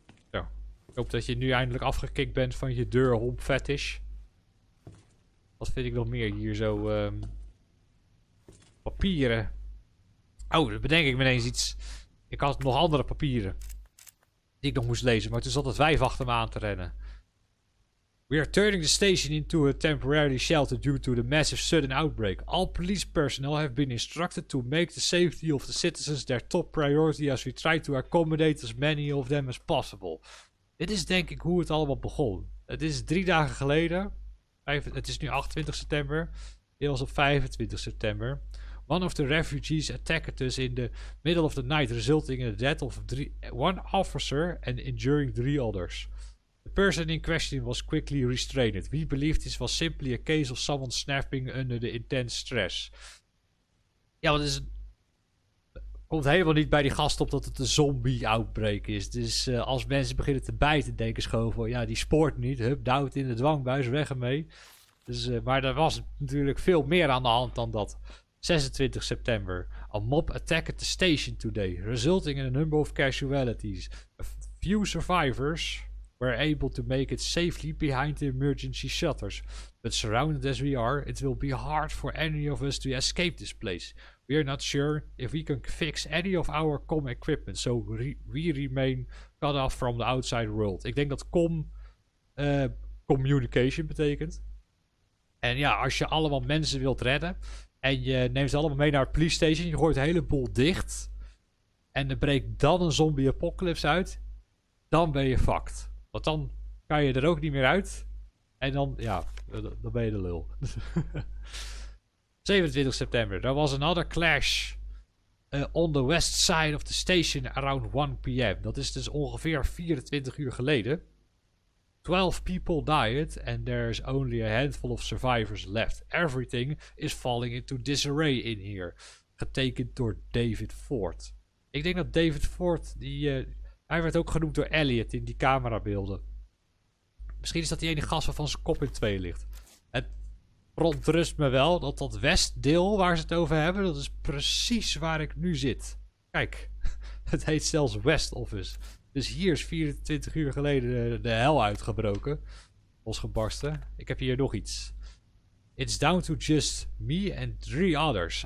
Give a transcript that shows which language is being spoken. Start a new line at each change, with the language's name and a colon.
Dutch: Zo. Ik hoop dat je nu eindelijk afgekikt bent van je deurhomp fetish. Wat vind ik nog meer hier zo? Papieren. Oh, dan bedenk ik me ineens iets. Ik had nog andere papieren. Die ik nog moest lezen, maar toen zat het wijf achter me aan te rennen.
English: We are turning the station into a temporary shelter due to the massive sudden outbreak. All police personnel have been instructed to make the safety of the citizens their top priority as we try to accommodate as many of them as possible.
Dutch: Dit is denk ik hoe het allemaal begon. Het is 3 dagen geleden. Het is nu 28 september. Dit was op 25 september.
English: One of the refugees attacked us in the middle of the night, resulting in the death of one officer and injuring 3 others. The person in question was quickly restrained. We believe this was simply a case of someone snapping under the intense stress.
Dutch: Ja, want het komt helemaal niet bij die gast op dat het een zombie-outbreak is. Dus als mensen beginnen te bijten, denken ze gewoon van, ja, die spoort niet. Hup, duwt in de dwangbuis, weg ermee. Dus, maar er was natuurlijk veel meer aan de hand dan dat.
English: 26 september. A mob attacked the station today, resulting in a number of casualties. A few survivors were able to make it safely behind the emergency shutters. But surrounded as we are, it will be hard for any of us to escape this place. We are not sure if we can fix any of our comm equipment, so we remain cut off from the outside world.
Dutch: Ik denk dat comm communication betekent. En ja, als je allemaal mensen wilt redden en je neemt ze allemaal mee naar het police station, je gooit een heleboel dicht en er breekt dan een zombie apocalypse uit, dan ben je fucked. Want dan kan je er ook niet meer uit en dan, ja, dan ben je de lul.
English: 27 september, there was another clash on the west side of the station around 1 p.m.
Dutch: Dat is dus ongeveer 24 uur geleden.
English: 12 people died and there's only a handful of survivors left. Everything is falling into disarray in here.
Dutch: Getekend door David Ford. Ik denk dat David Ford, hij werd ook genoemd door Elliot in die camerabeelden. Misschien is dat die ene gast waarvan zijn kop in twee ligt. Het verontrust me wel dat dat westdeel waar ze het over hebben, dat is precies waar ik nu zit. Kijk, het heet zelfs West Office. Dus hier is 24 uur geleden de hel uitgebroken. Losgebarsten. Ik heb hier nog iets.
English: It's down to just me and three others.